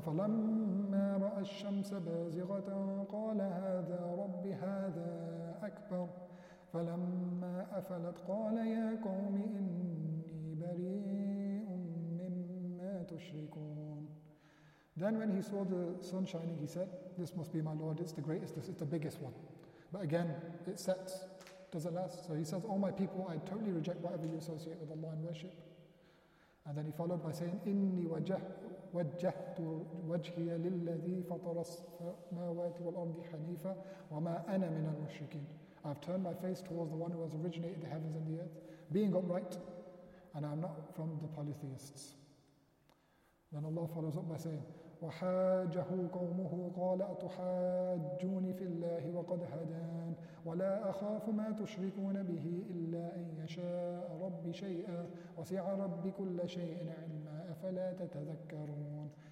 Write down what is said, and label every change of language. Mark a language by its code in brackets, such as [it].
[ar] فَلَمَّا رَأَى الشَّمْسَ بَازِغَةً قَالَ هَذَا رَبِّي هَذَا أَكْبَرُ فَلَمَّا أَفَلَتْ قَالَ يَا قَوْمِ إِنِّي بَرِيءٌ مِّمَّا تُشْرِكُونَ. [en] Then when he saw the sun shining, he said, this must be my Lord, it's the greatest, this is the biggest one. But again, it sets, does it last? So he says, oh my people, I totally reject whatever you associate with Allah and worship. And then he followed by saying, [ar] إِنِّي وَجَّهْتُ وَجْهِيَ لِلَّذِي فَطَرَ السَّمَاوَاتِ وَالْأَرْضِ حَنِيفًا وَمَا أَنَا مِنَ الْمُشْرِكِينَ. [en] I've turned my face towards the one who has originated the heavens and the earth, being upright, and I'm not from the polytheists. Then Allah follows up by saying, [ar] وَحَاجَهُ قَوْمُهُ قَالَ أَتُحَاجُّونِ فِي اللَّهِ وَقَدْ هَدَانِ وَلَا أَخَافُ مَا تُشْرِكُونَ بِهِ إِلَّا أَنْ يَشَاءَ رَبِّي شَيْئًا وَسِعَ رَبِّ كُلَّ شَيْءٍ عِلْمًا أَفَلَا تَتَذَكَّرُونَ.